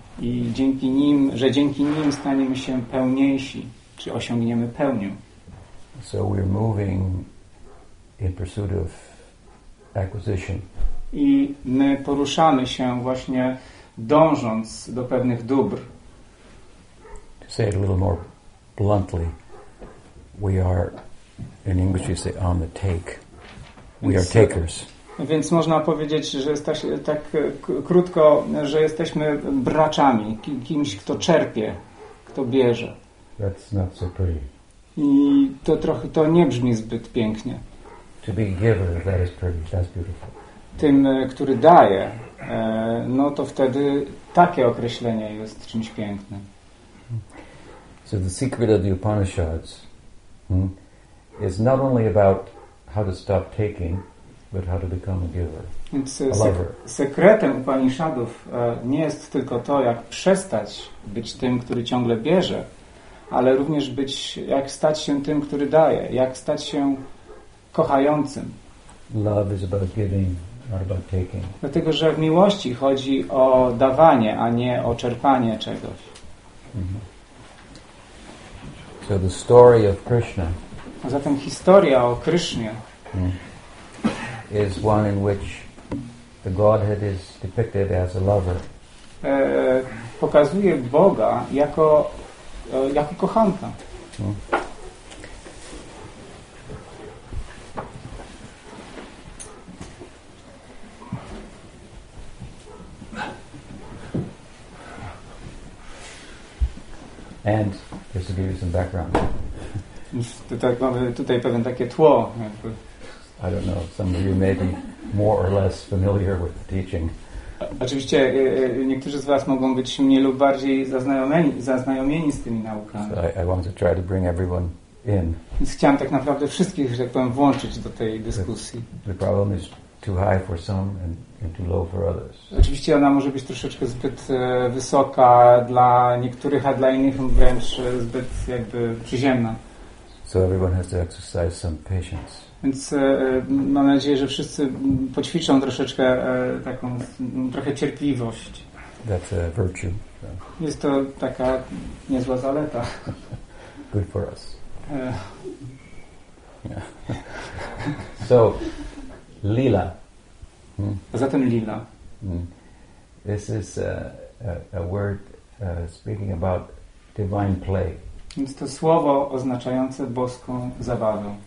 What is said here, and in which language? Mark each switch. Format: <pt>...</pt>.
<pl>I dzięki nim, że dzięki nim staniemy się pełniejsi, czy osiągniemy pełnię.</pl> <en>So we're moving in pursuit of acquisition.</en> <pl>I my poruszamy się właśnie dążąc do pewnych dóbr.</pl> <en>To say it a little more bluntly, we are, in English you say, on the take. We are takers.</en> <pl>Więc można powiedzieć, że jest tak krótko, że jesteśmy braczami, kimś, kto czerpie, kto bierze.</pl> <en>That's not so pretty.</en> <pl>I to trochę, to nie brzmi zbyt pięknie.</pl> <en>To be a giver, that is pretty, that's beautiful.</en> <pl>Tym, który daje, no to wtedy takie określenie jest czymś pięknym.</pl> <en>So the secret of the Upanishads is not only about how to stop taking, but how to become a giver, a lover.</en> <pl>Sekretem Upanishadów nie jest tylko to, jak przestać być tym, który ciągle bierze, ale również być, jak stać się tym, który daje, jak stać się kochającym.</pl> <en>Love is about giving, not about taking.</en> <pl>Dlatego, że w miłości chodzi o dawanie, a nie o czerpanie czegoś.</pl> <en>Mm-hmm. So the story of Krishna.</en> <pl>A zatem historia o Krysznie.</pl> <en>Is one in which the Godhead is depicted as a lover.</en> <pl>Pokazuje Boga jako jako kochanka.</pl> <en>And just to give you some background.</en> <pl>Tutaj pewien takie tło.</pl> <en>I don't know, some of you may be more or less familiar with the teaching.</en> <pl>Oczywiście niektórzy z was mogą być mniej lub bardziej zaznajomieni z tymi naukami.</pl> <en>So I want to try to bring everyone in.</en> <pl>Więc chciałem tak naprawdę wszystkich, że tak powiem, włączyć do tej dyskusji.</pl> <en>The problem is too high for some and too low for others.</en> <pl>Oczywiście ona może być troszeczkę zbyt wysoka dla niektórych, a dla innych wręcz zbyt jakby przyziemna.</pl> <en>So everyone has to exercise some patience.</en> <pl>Więc mam nadzieję, że wszyscy poćwiczą troszeczkę taką trochę cierpliwość.</pl> <en>That's a virtue.</en> <pl>Jest to taka niezła zaleta.</pl> <en>Good for us. So, Lila.</en> <pl>A zatem Lila.</pl> <en>This is a word speaking about divine play.</en> <pl>Jest to słowo oznaczające boską zabawę.</pl>